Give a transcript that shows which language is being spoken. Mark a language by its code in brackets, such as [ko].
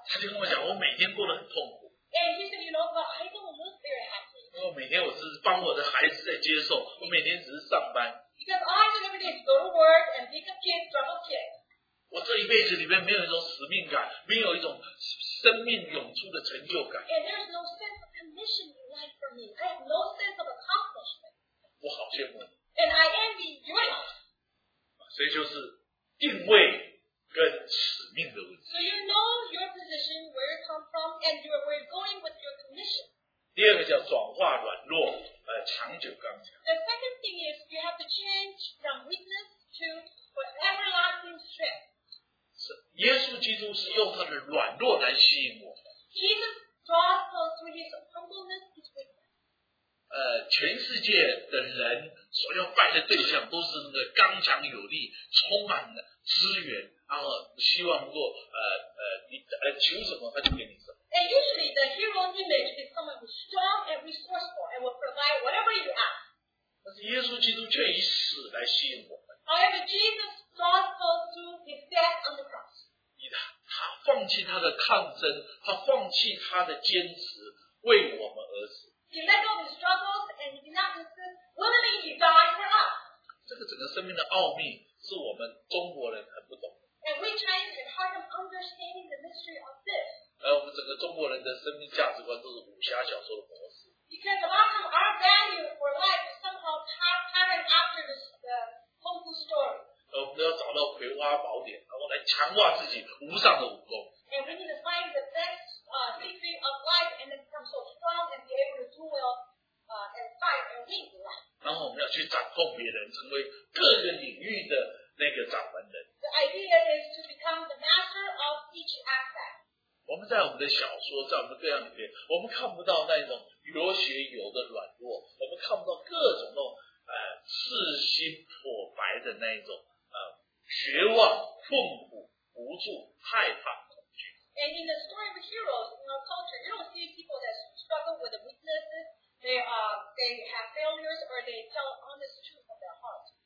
[zh] 他就跟我讲，我每天过得很痛苦。 [en] And he said, you know, but I don't look very happy. [zh] 我每天我只是帮我的孩子在接受，我每天只是上班。 [en] Because all I do every day is go to work and pick up kids, drop off kids. [zh] 我这一辈子里面没有一种使命感，没有一种生命涌出的成就感。 [en] And there's no sense of commission in life for me. I have no sense of accomplishment. [zh] 我好羡慕。 [en] And I envy your life. [zh] 所以就是定位跟使命的问题。 [en] So you know your position, where you come from, and where you're going with your commission. [zh] 第二个叫转化软弱，长久刚强。 [en] The second thing is you have to change from weakness to everlasting strength. [zh] 耶基督是用他的软弱来吸引我。 [en] Jesus draws us through his humbleness, his weakness. [zh] 全世界的人所要拜的对象都是那个刚强有力、充满了资源，然后希望能够求什么他就给你什么。 [en] And usually the hero's image is someone who's strong and resourceful and will provide whatever you ask. [zh] 但是耶稣基督却以死来吸引我们。 [en] However, Jesus draws us through his death on the cross. [zh] 他放弃他的抗争，他放弃他的坚持，为我们而死。 [en] He let go of his struggles and he did not resist. Willingly, he died for us. [zh] 这个整个生命的奥秘是我们中国人很不懂。 [en] And we Chinese have a hard time understanding the mystery of this. [zh] 我们整个中国人的生命价值观都是武侠小说的模式。 [en] Because a lot of our value for life is somehow patterned after the Kung Fu story. [zh] 我们都要找到葵花宝典，然后来强化自己无上的武功。 [en] And we need to find the best secret of life and then become so strong and be able to do well and fight and win in life. [zh] 然后我们要去掌控别人，成为各个领域的那个掌门人。 [en] The idea is to become the master of each aspect. [zh] 我们在我们的小说，在我们对象里面，我们看不到那种有血有的软弱，我们看不到各种那种赤心破白的那一种。绝望、痛苦、无助、害怕、恐惧。 [en] And in the story of heroes in our culture, you don't see people that struggle with the weaknesses. They have failures or they tell honest truth of their heart.